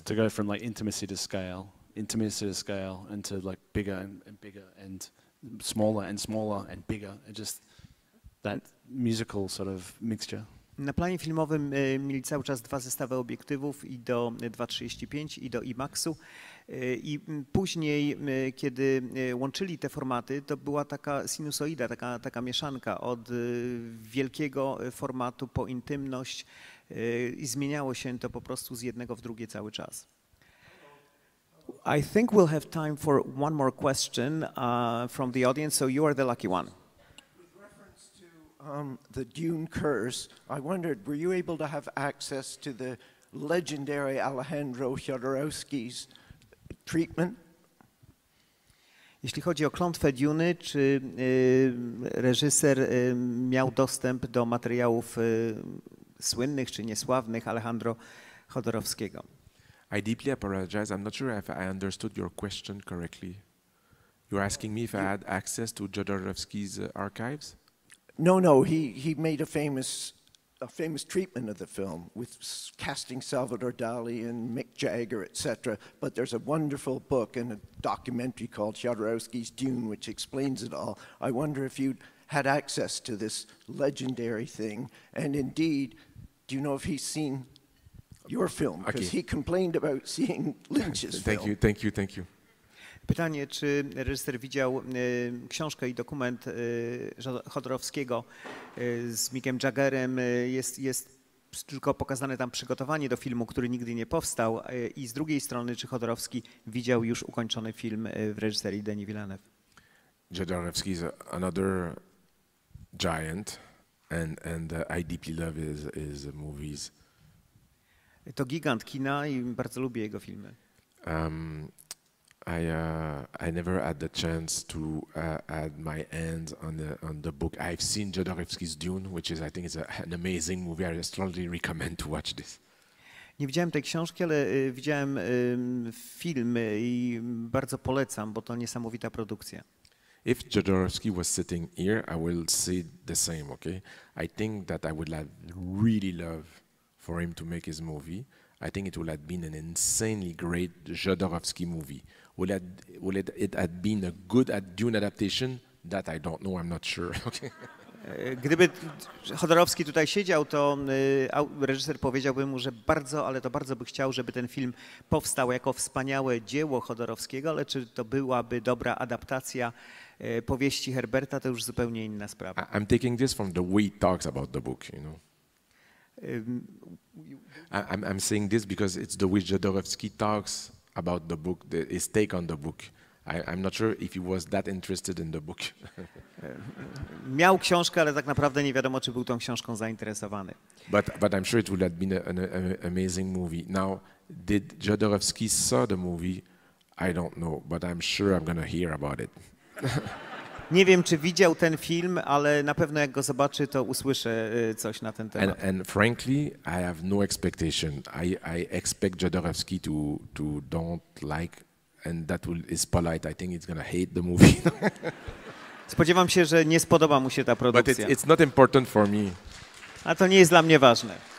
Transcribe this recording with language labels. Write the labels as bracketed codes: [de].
[en] It's to go from like intimacy to scale and to like bigger and bigger and smaller and smaller and bigger, and just that musical sort of mixture. [pl] Na planie filmowym mieli cały czas dwa zestawy obiektywów i do 2.35 i do IMAX-u. I później, kiedy łączyli te formaty, to była taka sinusoida, taka mieszanka od wielkiego formatu po intymność i zmieniało się to po prostu z jednego w drugie cały czas. [en] I think we'll have time for one more question from the audience, so you are the lucky one. The Dune curse, I wondered, were you able to have access to the legendary Alejandro Jodorowsky's treatment? [pl] Jeśli chodzi o klątwę Duny, czy reżyser miał dostęp do materiałów słynnych czy niesławnych Alejandro Jodorowskiego? [en] I deeply apologize. I'm not sure if I understood your question correctly. You're asking me if I had access to Jodorowsky's archives? No, he made a famous treatment of the film with casting Salvador Dali and Mick Jagger, etc. But there's a wonderful book and a documentary called Jodorowsky's Dune, which explains it all. I wonder if you had access to this legendary thing. And indeed, do you know if he's seen your film? Because okay. He complained about seeing Lynch's thank film. Thank you. [pl] Pytanie, czy reżyser widział książkę i dokument Jodorowskiego z Mickiem Jaggerem. Jest tylko pokazane tam przygotowanie do filmu, który nigdy nie powstał. I z drugiej strony, czy Jodorowski widział już ukończony film w reżyserii Denis Villeneuve? [en] Jodorowski is another giant and I deeply love his movies. [pl] To gigant kina i bardzo lubię jego filmy. [en] I never had the chance to add my hands on the book. I've seen Jodorowsky's Dune, which is, I think, is an amazing movie. I strongly recommend to watch this. [pl] Nie widziałem tej książki, ale widziałem film i bardzo polecam, bo to niesamowita produkcja. [en] If Jodorowsky was sitting here, I will say the same, okay? I think that I would have really loved for him to make his movie. I think it would have been an insanely great Jodorowsky movie. Would it have been a good Dune adaptation? That I don't know, I'm not sure. Okay. [pl] Gdyby Jodorowsky tutaj siedział, to reżyser powiedziałby mu, że bardzo, ale to bardzo by chciał, żeby ten film powstał jako wspaniałe dzieło Jodorowskiego, ale czy to byłaby dobra adaptacja powieści Herberta, to już zupełnie inna sprawa. [en] I'm taking this from the way he talks about the book, you know. I'm saying this because it's the way Jodorowsky talks about the book, his take on the book. I'm not sure if he was that interested in the book. [pl] Miał książkę, ale tak naprawdę nie wiadomo, czy był tą książką zainteresowany. [en] But I'm sure it would have been an amazing movie. Now, did Jodorowsky saw the movie? I don't know, but I'm sure I'm gonna hear about it. [pl] Nie wiem, czy widział ten film, ale na pewno jak go zobaczy, to usłyszę coś na ten temat. [en] And frankly, I have no expectation. I expect Jodorowsky to don't like, and that will, is polite. I think he's gonna hate the movie. [pl] Spodziewam się, że nie spodoba mu się ta produkcja. [en] But it's not important for me. [pl] A to nie jest dla mnie ważne.